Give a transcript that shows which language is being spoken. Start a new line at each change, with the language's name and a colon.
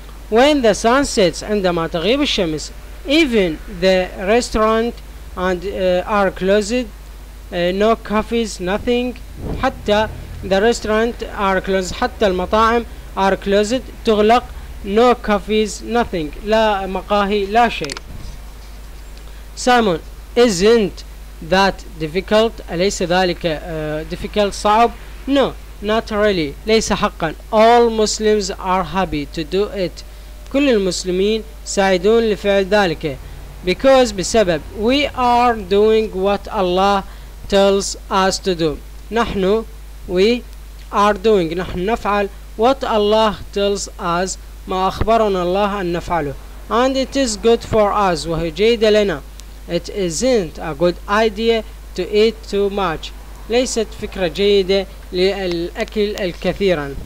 English: When the sun sets,
Arabic: عندما تغيب الشمس.
English: Even the restaurant and are closed, no cafes, nothing. حتى the restaurant are closed,
Arabic: حتى المطاعم
English: are closed, تغلق. No cafes, nothing,
Arabic: لا مقاهي, لا شيء.
English: Simon, isn't that difficult,
Arabic: أليس ذلك
English: difficult, صعب؟ No, not really,
Arabic: ليس حقا.
English: All Muslims are happy to do it,
Arabic: كل المسلمين سعيدون لفعل ذلك.
English: Because,
Arabic: بسبب,
English: we are doing what Allah tells us to do.
Arabic: نحن نفعل
English: what Allah tells us,
Arabic: ما أخبرنا الله أن نفعله.
English: And it is good for us,
Arabic: وهي جيدة لنا.
English: It isn't a good idea to eat too much,
Arabic: ليست فكرة جيدة للأكل الكثيرا.